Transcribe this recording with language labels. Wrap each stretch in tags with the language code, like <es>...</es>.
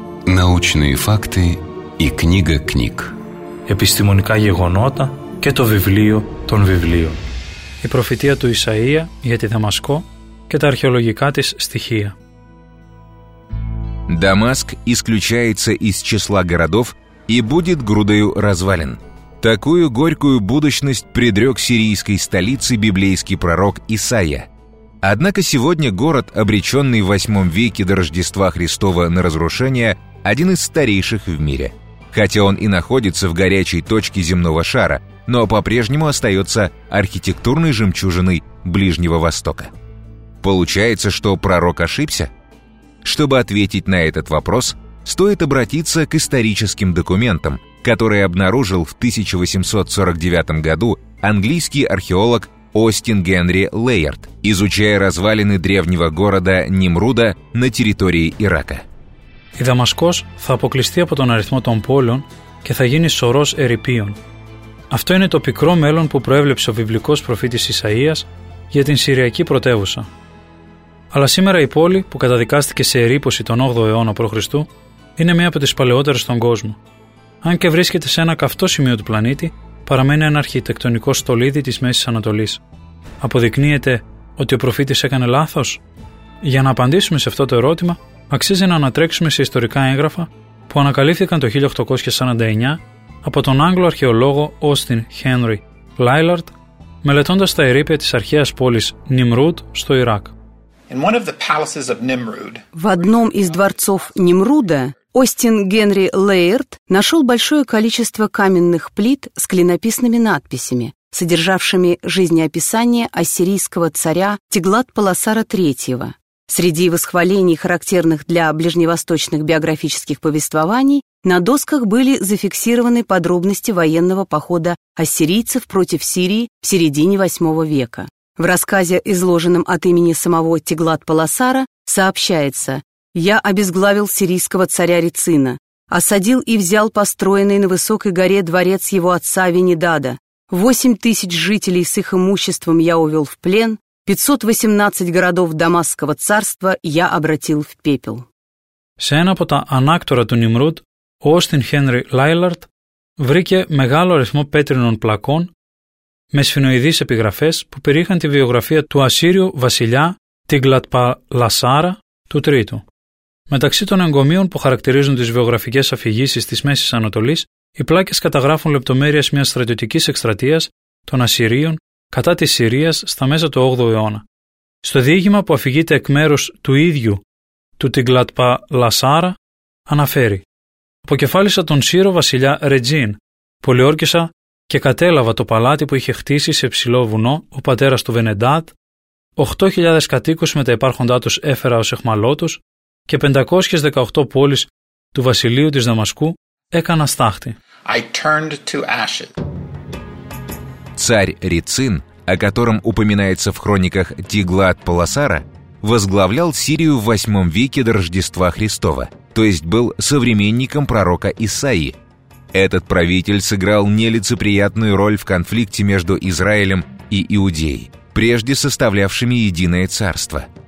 <ru>Научные факты и книга книг.</ru> <el>Επιστημονικά γεγονότα και το βιβλίο των βιβλίων. Η προφητεία του Ισαΐα για τη Δαμασκό και τα αρχαιολογικά της στοιχεία.</el> <ru>Дамаск исключается из числа городов и будет грудою развален. Такую горькую будущность предрек сирийской столице библейский пророк Исаия. Однако сегодня город, обреченный в 8 веке до Рождества Христова на разрушение, один из старейших в мире. Хотя он и находится в горячей точке земного шара, но по-прежнему остается архитектурной жемчужиной Ближнего Востока. Получается, что пророк ошибся? Чтобы ответить на этот вопрос, стоит обратиться к историческим документам, которые обнаружил в 1849 году английский археолог Остин Генри Лейерт, изучая развалины древнего города Нимруда на территории Ирака.</ru> <el>Η Δαμασκός θα αποκλειστεί από τον αριθμό των πόλεων και θα γίνει σωρός ερηπείων. Αυτό είναι το πικρό μέλλον που προέβλεψε ο βιβλικός προφήτης Ισαΐας για την Συριακή πρωτεύουσα. Αλλά σήμερα η πόλη που καταδικάστηκε σε ερήπωση τον 8ο αιώνα π.Χ. είναι μία από τις παλαιότερες στον κόσμο. Αν και βρίσκεται σε ένα καυτό σημείο του πλανήτη, παραμένει ένα αρχιτεκτονικό στολίδι της Μέσης Ανατολής. Αποδεικνύεται ότι ο προφήτης έκανε λάθος? Για να απαντήσουμε σε αυτό το ερώτημα, αξίζει να ανατρέξουμε σε ιστορικά έγγραφα που ανακαλύφθηκαν το 1849 από τον Άγγλο αρχαιολόγο Όστιν Χένρι Λάιλαρτ, μελετώντας τα ερείπια της αρχαίας πόλης Νιμρούτ στο Ιράκ.</el> <ru>В одном из дворцов Нимруда Остин Генри Лейерт нашел большое количество каменных плит с клинописными надписями, содержавшими жизнеописание ассирийского царя Тиглат-Паласара III. Среди восхвалений, характерных для ближневосточных биографических повествований, на досках были зафиксированы подробности военного похода ассирийцев против Сирии в середине VIII века. В рассказе, изложенном от имени самого Тиглат-Паласара, сообщается: «Я обезглавил сирийского царя Рецина, осадил и взял построенный на высокой горе дворец его отца Венедада. 8000 жителей с их имуществом я увел в плен, 518 городов Дамасского царства я обратил в пепел».</ru> <el>Σε ένα από τα ανάκτορα του Νιμρούτ, ο Όστιν Χένρι Λάιλαρτ βρήκε μεγάλο αριθμό πέτρινων πλακών με σφινοειδείς επιγραφές που περιείχαν τη βιογραφία του Ασσύριου βασιλιά Τιγκλατ-Παλασάρα του III. Μεταξύ των εγκομείων που χαρακτηρίζουν τις βιογραφικές αφηγήσεις της Μέσης Ανατολής, οι πλάκες καταγράφουν λεπτομέρειες μιας στρατιωτικής εκστρατείας των Ασσυρίων κατά της Συρίας στα μέσα του 8ου αιώνα. Στο διήγημα που αφηγείται εκ μέρους του ίδιου του Τιγκλατ-Παλασάρα, αναφέρει: «Αποκεφάλισα τον Σύρο βασιλιά Ρετζίν, πολιόρκησα και κατέλαβα το παλάτι που είχε χτίσει σε ψηλό βουνό ο πατέρας του Βενεντάτ, 8.000 κατοίκους με τα υπάρχοντά τους έφερα ως εχμαλώτους και 518 πόλεις του βασιλείου της Δαμασκού έκανα στάχτη».</el> <en>I turned to ashes.</en> <ru>Царь Рецин, о котором упоминается в хрониках Тиглат-Паласара, возглавлял Сирию в 8 веке до Рождества Христова, то есть был современником пророка Исаии. Этот правитель сыграл нелицеприятную роль в конфликте между Израилем и Иудеей, прежде составлявшими единое царство.</ru>